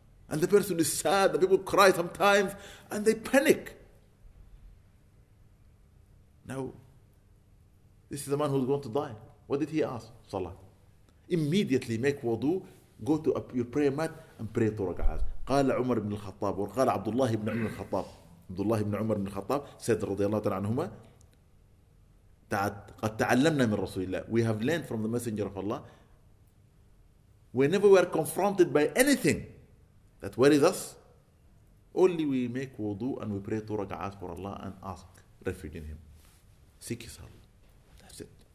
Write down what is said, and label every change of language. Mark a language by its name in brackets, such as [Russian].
[English] And the person is sad, and people cry sometimes, and they panic. Now, this is a man who's going to die. What did he ask? Salah. Immediately make wudu, go to your prayer mat, and pray to rak'ahs. [Arabic] قال عمر بن الخطاب وقال عبد الله بن عمر الخطاب عبد الله بن عمر بن الخطاب [English] said [Arabic] رضي الله تعالى عنهما قد تعلمنا من رسول الله. [English] We have learned from the messenger of Allah. Whenever we are confronted by anything that worries us, only we make wudu and we pray two raka'at for Allah and ask refuge in him. Seek his help. That's it.